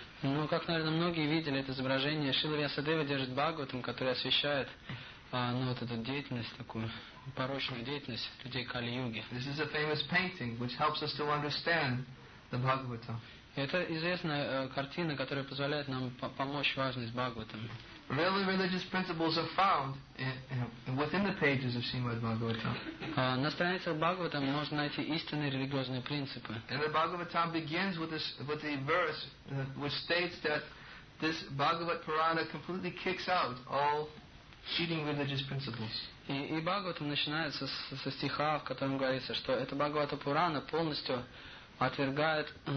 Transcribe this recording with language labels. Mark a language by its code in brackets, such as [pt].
[ru] Ну, как, наверное, многие видели это изображение, Шрила Вьясадева держит Бхагаватам, который освещает. Ну вот эту деятельность такую порочную деятельность людей Кали-Юги. [en] This is a famous painting which helps us to understand the Bhagavatam. [ru] Это известная картина, которая позволяет нам помочь важность Бхагаватам. [en] Really religious principles are found within the pages of Srimad Bhagavatam. [ru] На страницах Бхагаватам можно найти истинные религиозные принципы. [en] And the Bhagavatam begins with a verse which states that this Bhagavat Purana completely kicks out all cheating religious principles. [ru] И Бхагаватам начинается со стиха, в котором говорится, что эта Бхагавата Пурана полностью отвергает